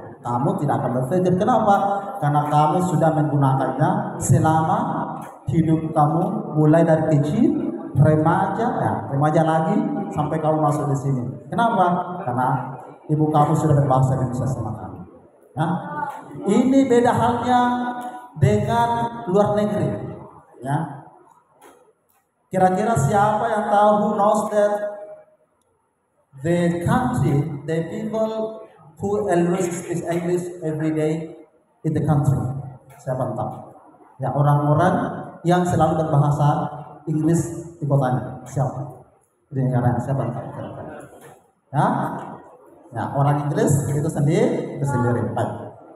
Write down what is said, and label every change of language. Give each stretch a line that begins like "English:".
Indonesian: Kamu tidak akan berpikir kenapa? Karena kamu sudah menggunakannya selama hidup kamu mulai dari kecil, remaja lagi sampai kamu masuk di sini. Kenapa? Karena ibu kamu sudah berbahasa Indonesia sama kamu. Ya. Ini beda halnya dengan luar negeri. Ya. Kira-kira siapa yang tahu,
English: who knows that the country, the people who always speak English every day in the country?
Indonesian: Siapa tahu? Ya, orang-orang yang selalu berbahasa Inggris di kotanya. Siapa? Di negara yang siapa tahu? Ya. Nah, orang Inggris itu sendiri. Baik.